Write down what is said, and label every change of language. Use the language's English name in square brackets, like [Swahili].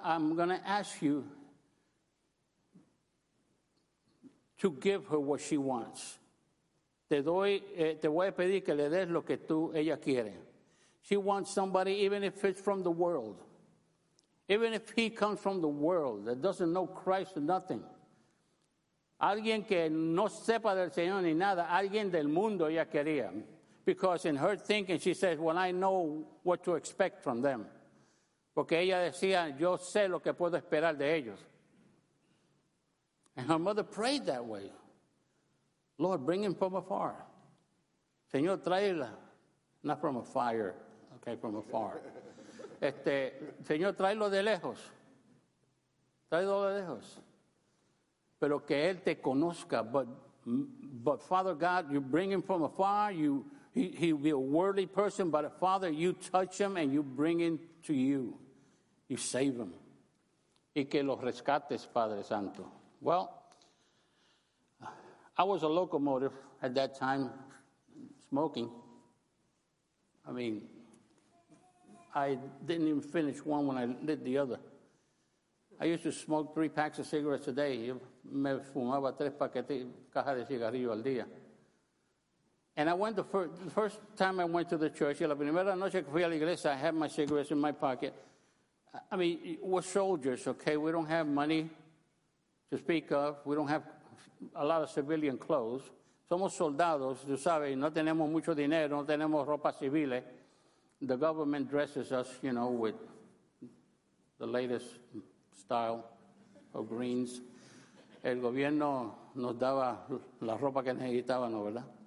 [English] I'm going to ask you to give her what she wants. [Spanish] Te voy a pedir que le des lo que tú ella quiere. [English] She wants somebody, even if it's from the world. Even if he comes from the world that doesn't know Christ or nothing. [Spanish] Alguien que no sepa del Señor ni nada, alguien del mundo ella quería. [English] Because in her thinking, she says, well, I know what to expect from them. [Spanish] Porque ella decía, yo sé lo que puedo esperar de ellos. [English] And her mother prayed that way. Lord, bring him from afar. [Spanish] Señor, tráela. [English] Not from a fire, okay, from afar. [Spanish] Señor, tráelo de lejos. Tráelo de lejos. Pero que él te conozca. [English] But Father God, you bring him from afar. He'll be a worldly person, but Father, you touch him and you bring him to you. You save him. [Spanish] Y que los rescates, Padre Santo. [English] Well, I was a locomotive at that time, smoking. I mean, I didn't even finish one when I lit the other. I used to smoke 3 packs of cigarettes a day. [Spanish] Me fumaba 3 paquetes, caja de cigarrillo al día. [English] And I went the first time I went to the church, [Spanish] la primera noche que fui a la iglesia, [English] I had my cigarettes in my pocket. I mean, we're soldiers, okay? We don't have money to speak of. We don't have a lot of civilian clothes. [Spanish] Somos soldados, tú sabes, no tenemos mucho dinero, no tenemos ropa civil. [English] The government dresses us, you know, with the latest style of greens. [Spanish] El gobierno nos daba la ropa que necesitábamos, ¿verdad?